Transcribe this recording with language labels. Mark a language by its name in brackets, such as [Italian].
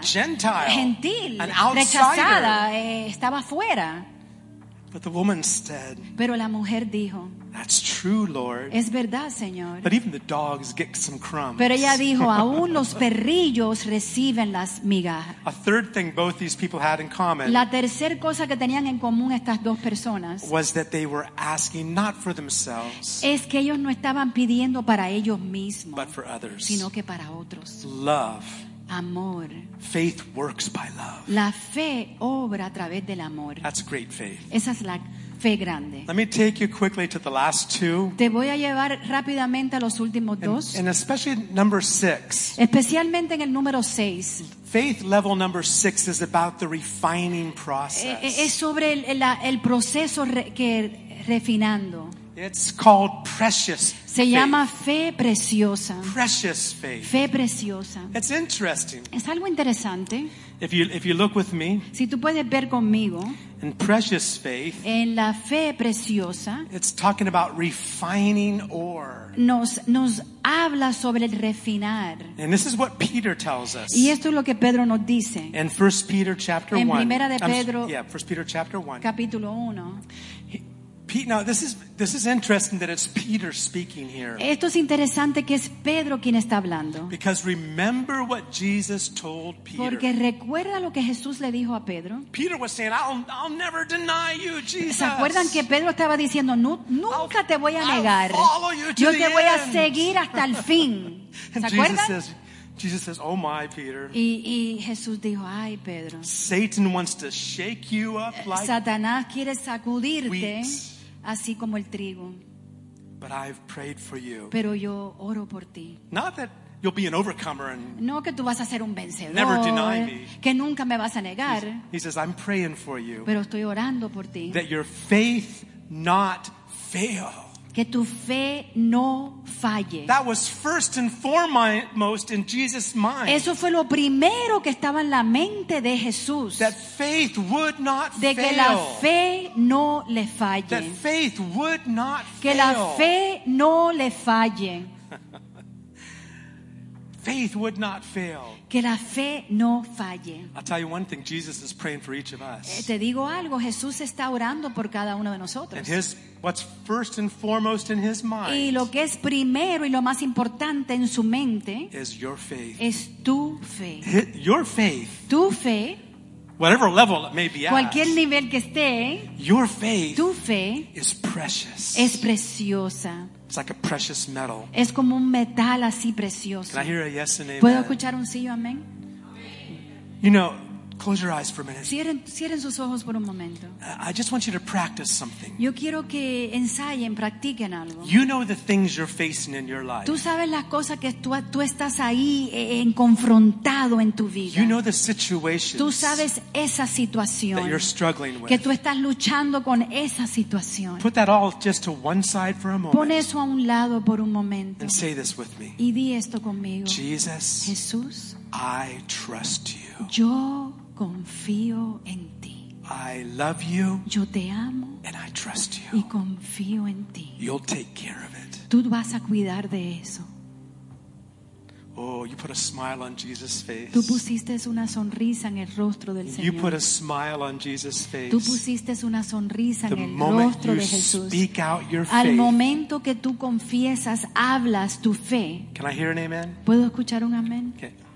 [English] A Gentile. [Spanish] Gentil. [English] An outsider. [Spanish] Rechazada. Estaba fuera. [English] But the woman said. [Spanish] Pero la mujer dijo. [English] That's true, Lord. [Spanish] Es verdad, Señor. [English] But even the dogs get some crumbs. [Spanish] Pero ella dijo, aún los perrillos reciben las migajas. [English] A third thing both these people had in common. [Spanish] La tercera cosa que tenían en común estas dos personas. [English] Was that they were asking not for themselves. [Spanish] Es que ellos no estaban pidiendo para ellos mismos. [English] But for others. [Spanish] Sino que para otros. [English] Love. [Spanish] Amor. [English] Faith works by love. [Spanish] La fe obra a través del amor. [English] That's great faith. [Spanish] Esa es la fe grande. [English] Let me take you quickly to the last two. [Spanish] Te voy a llevar rápidamente a los últimos dos. [English] And especially number six. [Spanish] Especialmente en el número 6. [English] Faith level number 6 is about the refining process. [Spanish] Es sobre el proceso que refinando. [English] It's called precious faith. [Spanish] Se llama fe preciosa. [English] Precious faith. [Spanish] Fe preciosa. [English] It's interesting. [Spanish] Es algo interesante. [English] If you look with me. [Spanish] Si tú puedes ver conmigo. [English] In precious faith. [Spanish] En la fe preciosa. [English] It's talking about refining ore. [Spanish] Nos habla sobre el refinar. [English] And this is what Peter tells us. [Spanish] Y esto es lo que Pedro nos dice. [English] In 1 Peter chapter 1. [Spanish] En primera de Pedro. [English] Yeah, 1 Peter chapter 1. [Spanish] Capítulo 1. [English] Now this is interesting that it's Peter speaking here. [Spanish] Esto es interesante que es Pedro quien está hablando. [English] Because remember what Jesus told Peter. [Spanish] Porque recuerda lo que Jesús le dijo a Pedro. [English] Peter was saying, I'll never deny you, Jesus. [Spanish] ¿Se acuerdan que Pedro estaba diciendo, nunca te voy a negar? [English] I'll follow you to [Spanish] Yo [English] the [Spanish] te [English] end. [Spanish] Voy a seguir hasta el fin. ¿Se acuerdan? [English] Jesus says, "Oh my, Peter." [Spanish] Y Jesús dijo, "Ay, Pedro." [English] Satan wants to shake you up like [Spanish] Satanás quiere sacudirte wheat, así como el trigo. [English] But I've prayed for you. [Spanish] Pero yo oro por ti. [English] Not that you'll be an overcomer and [Spanish] no que tú vas a ser un vencedor. [English] Never deny me. [Spanish] Que nunca me vas a negar. [English] He says, "I'm praying for you." [Spanish] Pero estoy orando por ti. [English] That your faith not fail. [Spanish] Que tu fe no falle. [English] That was first and foremost in Jesus' mind. [Spanish] Eso fue lo primero que estaba en la mente de Jesús. [English] That faith would not fail. [Spanish] De que la fe no le falle. [English] That faith would not fail. [Spanish] Que la fe no le falle. [English] Faith would not fail. [Spanish] Que la fe no falle. [English] I'll tell you one thing. Jesus is praying for each of us. [Spanish] Te digo algo. Jesús está orando por cada uno de nosotros. [English] And his what's first and foremost in his mind. [Spanish] Y lo que es primero y lo más importante en su mente [English] is your faith. [Spanish] Es tu fe. [English] Your faith. [Spanish] Tu fe. [English] Whatever level it may be at. [Spanish] Cualquier nivel que esté. [English] Your faith. [Spanish] Tu fe. [English] Is precious. [Spanish] Es preciosa. [English] It's like a precious metal. [Spanish] Es como un metal así precioso. [English] Can I hear a yes and amen? [Spanish] ¿Puedo escuchar un sí o amén? [English] You know, close your eyes for a minute. [Spanish] Cierren sus ojos por un momento. [English] I just want you to practice something. [Spanish] Yo quiero que ensayen, practiquen algo. [English] You know the things you're facing in your life. [Spanish] Tú sabes las cosas que tú estás ahí confrontado en tu vida. [English] You know the situations. [Spanish] Tú sabes esa situación. [English] That you're struggling with. [Spanish] Que tú estás luchando con esa situación. [English] Put that all just to one side for a moment. [Spanish] Pon eso a un lado por un momento. [English] And say this with me. [Spanish] Y di esto conmigo. [English] Jesus. [Spanish] Jesús. [English] I trust you. [Spanish] Yo confío en ti. [English] I love you. [Spanish] Yo te amo. [English] And I trust you. [Spanish] Y confío en ti. [English] You'll take care of it. [Spanish] Tú vas a cuidar de eso. [English] Oh, you put a smile on Jesus' face. [Spanish] Tú pusiste una sonrisa en el rostro del Señor. [English] You put a smile on Jesus' face. [Spanish] Tú pusiste una sonrisa [English] the [Spanish] en el rostro [English] you [Spanish] de Jesús. [English] Speak out your faith. [Spanish] Al momento que tú confiesas, hablas tu fe. [English] Can I hear an amen? [Spanish] ¿Puedo escuchar un amén? [English] Okay.